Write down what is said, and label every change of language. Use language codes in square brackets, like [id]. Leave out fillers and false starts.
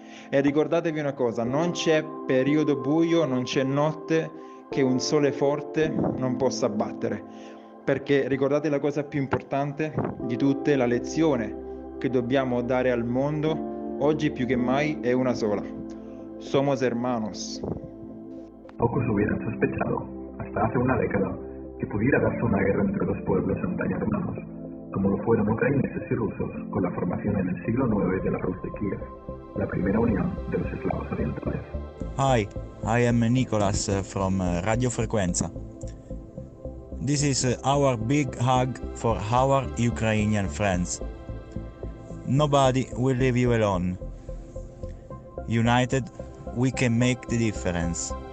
[it] E ricordatevi una cosa, non c'è periodo buio, non c'è notte che un sole forte non possa battere. perché ricordate la cosa più importante di tutte, la lezione che dobbiamo dare al mondo oggi più che mai è una sola. [es] Somos hermanos. Poco se hubieran sospechado, hasta hace una década, que pudiera darse una guerra entre dos pueblos en tan hermanos, como lo fueron ucranianos y rusos con la formación en el siglo IX de la Rus de Kiev, la primera unión de los eslavos orientales. [en] Hi, I am Nicolas from Radio Frequenza. This is our big hug for our Ukrainian friends. Nobody will leave you alone. United, we can make the difference.